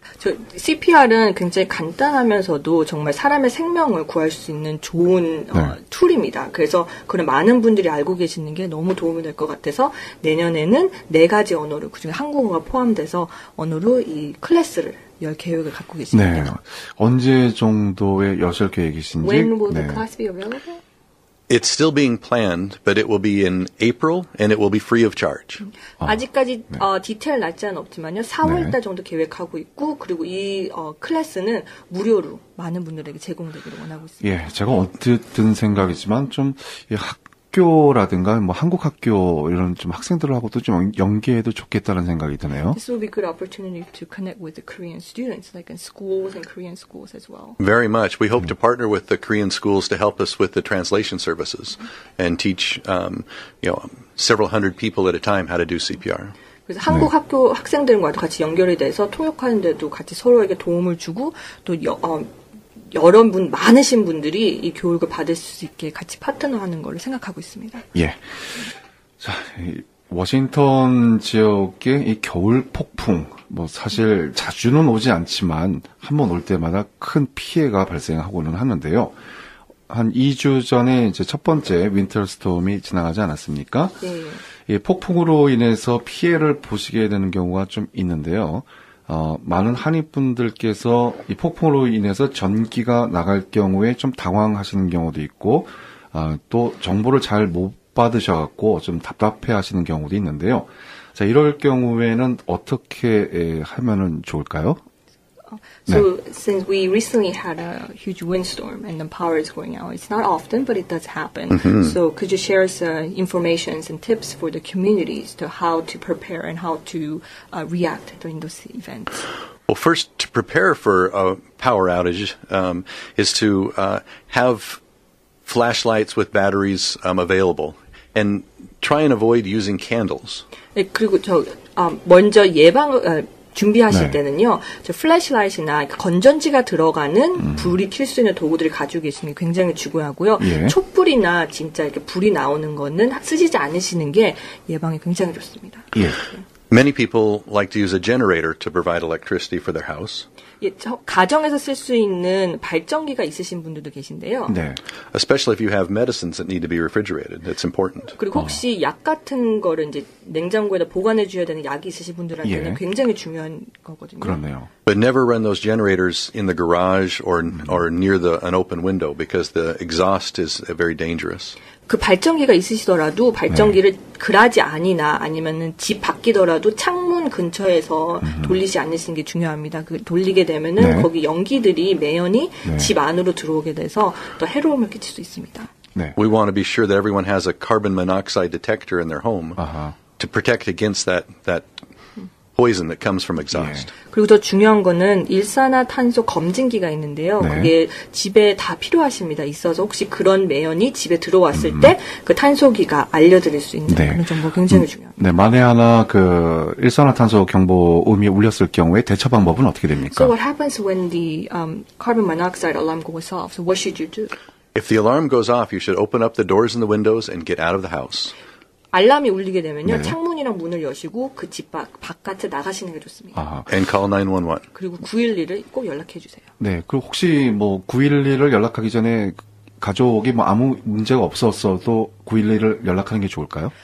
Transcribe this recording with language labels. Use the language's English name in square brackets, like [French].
[Korean] CPR은 굉장히 간단하면서도 정말 사람의 생명을 구할 수 있는 좋은 네. 툴입니다. 그래서 그런 많은 분들이 알고 계시는 게 너무 도움이 될 것 같아서 내년에는 네 가지 언어로 그중에 한국어가 포함돼서 언어로 이 클래스를 열 계획을 갖고 계십니다. 네. 언제 정도의 여설 계획이신지? [English] When will the 네. class be available? It's still being planned, but it will be in April, and it will be free of charge. [Korean] 아직까지 네. 디테일 날짜는 없지만요. 4월달 네. 정도 계획하고 있고, 그리고 이 클래스는 무료로 많은 분들에게 제공되기를 원하고 있습니다. 예, 제가 어쨌든 생각이지만 좀 학교라든가 뭐 한국 학교 이런 좀 학생들하고도 좀 연계해도 좋겠다는 생각이 드네요. [English] This will be a good opportunity to connect with the Korean students, like in schools and Korean schools as well. Very much. We hope to partner with the Korean schools to help us with the translation services and teach, several hundred people at a time how to do CPR. [Korean] 그래서 한국 네. 학교 학생들과도 같이 연결이 돼서 통역하는데도 같이 서로에게 도움을 주고 또 여러분 많으신 분들이 이 교육을 받을 수 있게 같이 파트너하는 걸로 생각하고 있습니다. 예. 자, 워싱턴 지역의 이 겨울 폭풍 뭐 사실 자주는 오지 않지만 한 번 올 때마다 큰 피해가 발생하고는 하는데요. 한 2주 전에 이제 첫 번째 윈터 스톰이 지나가지 않았습니까? 예. 이 폭풍으로 인해서 피해를 보시게 되는 경우가 좀 있는데요. 많은 한인분들께서 이 폭풍으로 인해서 전기가 나갈 경우에 좀 당황하시는 경우도 있고 또 정보를 잘 못 받으셔갖고 좀 답답해하시는 경우도 있는데요. 자 이럴 경우에는 어떻게 하면은 좋을까요? [English] So 네. since we recently had a huge windstorm and the power is going out, it's not often, but it does happen. Mm-hmm. So could you share some information and tips for the communities to how to prepare and how to react during those events? Well, first, to prepare for a power outage is to have flashlights with batteries available and try and avoid using candles. [Korean] 네, 그리고 저 먼저 예방 준비하실 네. 때는요, 저 플래시라이트나 건전지가 들어가는 불이 켤 수 있는 도구들을 가지고 계시는 게 굉장히 중요하고요. 예. 촛불이나 진짜 이렇게 불이 나오는 거는 쓰시지 않으시는 게 예방에 굉장히 좋습니다. 예. [English] Many people like to use a generator to provide electricity for their house. [Korean] 예, 저 가정에서 쓸 수 있는 발전기가 있으신 분들도 계신데요. 네. [English] Especially if you have medicines that need to be refrigerated. That's important. [Korean] 그리고 혹시 약 같은 거를 이제 냉장고에다 보관해 줘야 되는 약이 있으신 분들한테는 예. 굉장히 중요한 거거든요. 그렇네요. [English] But never run those generators in the garage or near an open window because the exhaust is very dangerous. [Korean] 그 발전기가 있으시더라도 발전기를 네. 그라지 안이나 아니면은 집 밖이더라도 창문 근처에서 돌리지 않으시는 게 중요합니다. 그 돌리게 되면은 네. 거기 연기들이 매연이 네. 집 안으로 들어오게 돼서 또 해로움을 끼칠 수 있습니다. 네. [English] We want to be sure that everyone has a carbon monoxide detector in their home uh-huh. to protect against that poison that comes from exhaust. [Korean] 네. 그리고 더 중요한 거는 일산화탄소 검진기가 있는데요. 네. 그게 집에 다 필요하십니다. 있어서 혹시 그런 매연이 집에 들어왔을 때 그 탄소기가 알려드릴 수 있는 네. 그런 정보 굉장히 중요합니다. 네, 만에 하나 그 일산화탄소 경보음이 울렸을 경우에 대처 방법은 어떻게 됩니까? [English] So what happens when the carbon monoxide alarm goes off? So what should you do? If the alarm goes off, you should open up the doors and the windows and get out of the house. [Korean] 알람이 울리게 되면요. 네. 창문이랑 문을 여시고 그 집 바깥에 나가시는 게 좋습니다. 아, [English] and call 911. [Korean] 그리고 911을 꼭 연락해 주세요. 네. 그리고 혹시 뭐 911을 연락하기 전에 가족이 뭐 아무 문제가 없었어도 911을 연락하는 게 좋을까요?